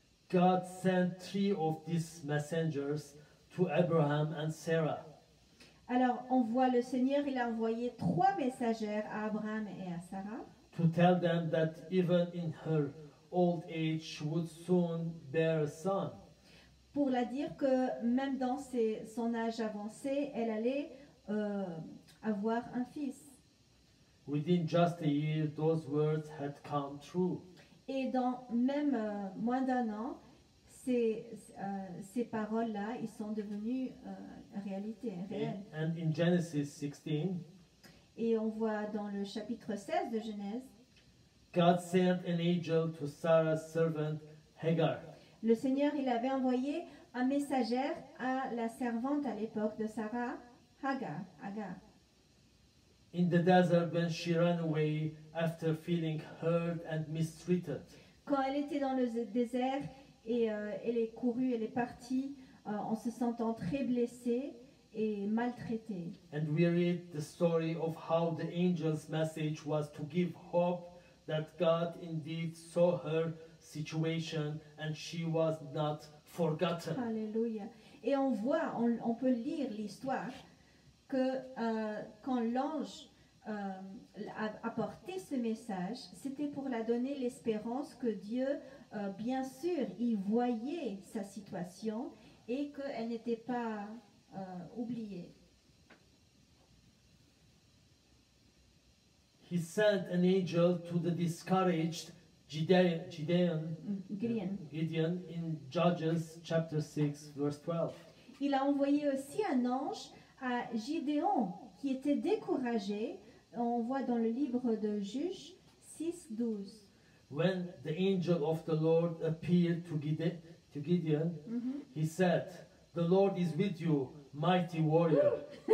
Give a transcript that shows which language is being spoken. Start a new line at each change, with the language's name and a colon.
English: God sent three of these messengers to Abraham and Sarah.
French: Alors on voit le Seigneur, il a envoyé trois messagères à Abraham et à Sarah.
English: To tell them that even in her old age she would soon bear a son.
French: Pour la dire que même dans son âge avancé, elle allait avoir un fils.
English: Within just a year, those words had come true.
French: Et dans même moins d'un an, ces paroles-là, ils sont devenues réalité, réelles.
English: And in Genesis 16,
French: et on voit dans le chapitre 16 de Genèse,
English: God sent an angel to Sarah's servant Hagar.
French: Le Seigneur, il avait envoyé un messager à la servante à l'époque de Sarah, Hagar.
English: In the desert when she ran away after feeling hurt and mistreated.
French: Quand elle était dans le désert et elle est courue, elle est partie en se sentant très blessée et maltraitée.
English: And we read the story of how the angel's message was to give hope that God indeed saw her situation and she was not forgotten.
French: Alléluia. Et on voit, on peut lire l'histoire que quand l'ange a apporté ce message, c'était pour la donner l'espérance que Dieu, bien sûr, il voyait sa situation et qu'elle n'était pas oubliée.
English: He sent an angel to the discouraged Gideon in Judges chapter 6 verse 12.
French: Il a envoyé aussi un ange à Gideon qui était découragé. On voit dans le livre de Juges 6:12.
English: When the angel of the Lord appeared to Gideon, he said, "The Lord is with you, mighty warrior."